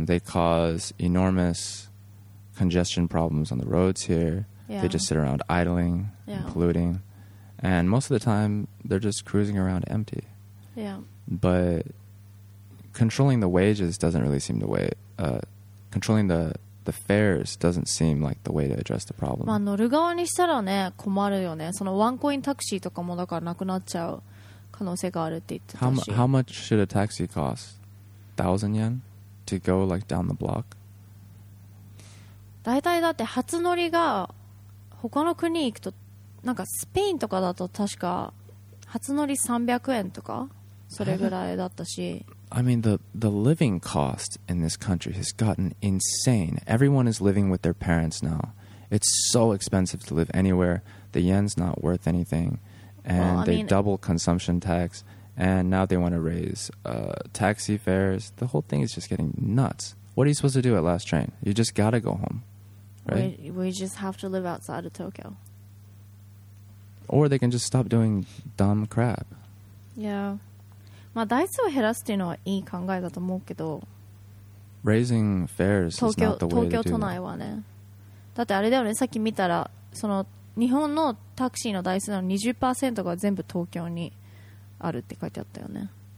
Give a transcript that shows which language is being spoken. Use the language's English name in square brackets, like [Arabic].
[English] They cause enormous congestion problems on the roads here. Yeah. They just sit around idling, yeah. and polluting. And most of the time, they're just cruising around empty. Yeah. But controlling the wages doesn't really seem the way, controlling the fares doesn't seem like the way to address the problem. [Japanese] まあ乗る側にしたらね、困るよね。そのワンコインタクシーとかもだからなくなっちゃう可能性があるって言ってたし。 [English] How much should a taxi cost? 1000 yen to go like down the block? [Japanese] だいたいだって初乗りが他の国に行くと、なんかスペインとかだと確か初乗り300円とかそれぐらいだったし。 [English] I mean the living cost in this country has gotten insane. Everyone is living with their parents now. It's so expensive to live anywhere. The yen's not worth anything. And well, they mean, double consumption tax. And now they want to raise taxi fares. The whole thing is just getting nuts. What are you supposed to do at last train? You just gotta go home. Right? We just have to live outside of Tokyo. Or they can just stop doing dumb crap. Yeah. [Japanese] まあ台数を減らすっていうのはいい考えだと思うけど、 [English] Raising fares is not the way to do it. [Japanese] 東京都内はね、だってあれだよね、さっき見たらその日本のタクシーの台数の 20% が全部東京にあるって書いてあったよね。